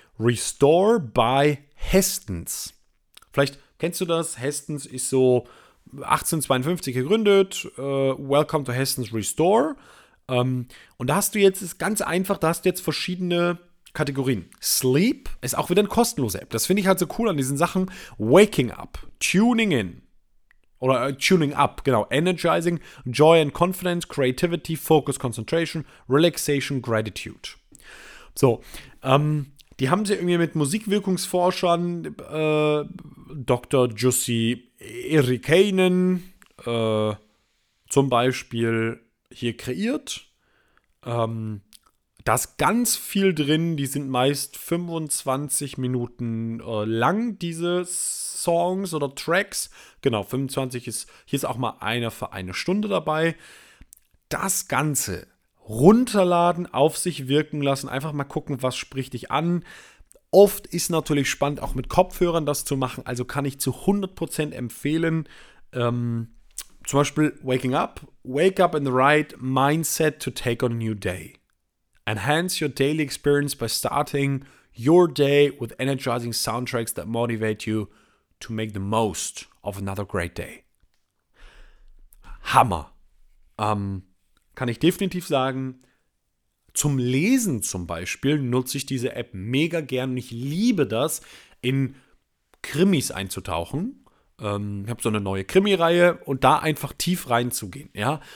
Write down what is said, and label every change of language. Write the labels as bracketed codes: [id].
[de] Restore by Hestens. Vielleicht kennst du das, Hestens ist so 1852 gegründet, [en] Welcome to Hestens Restore. [de] Und da hast du jetzt, ist ganz einfach, da hast du jetzt verschiedene Kategorien. Sleep ist auch wieder eine kostenlose App. Das finde ich halt so cool an diesen Sachen. [en] Waking up, tuning in oder tuning up, genau. Energizing, joy and confidence, creativity, focus, concentration, relaxation, gratitude. [de] So, die haben sie irgendwie mit Musikwirkungsforschern, Dr. Jussi Irikainen zum Beispiel hier kreiert. Da ist ganz viel drin, die sind meist 25 Minuten lang, diese Songs oder Tracks. Genau, 25 ist, hier ist auch mal einer für eine Stunde dabei. Das Ganze runterladen, auf sich wirken lassen, einfach mal gucken, was spricht dich an. Oft ist natürlich spannend, auch mit Kopfhörern das zu machen, also kann ich zu 100% empfehlen, zum Beispiel Waking Up, [en] wake up in the right mindset to take on a new day. Enhance your daily experience by starting your day with energizing soundtracks that motivate you to make the most of another great day. [de] Hammer. Kann ich definitiv sagen, zum Lesen zum Beispiel nutze ich diese App mega gern und ich liebe das, in Krimis einzutauchen. Ich habe so eine neue Krimi-Reihe und da einfach tief reinzugehen, ja.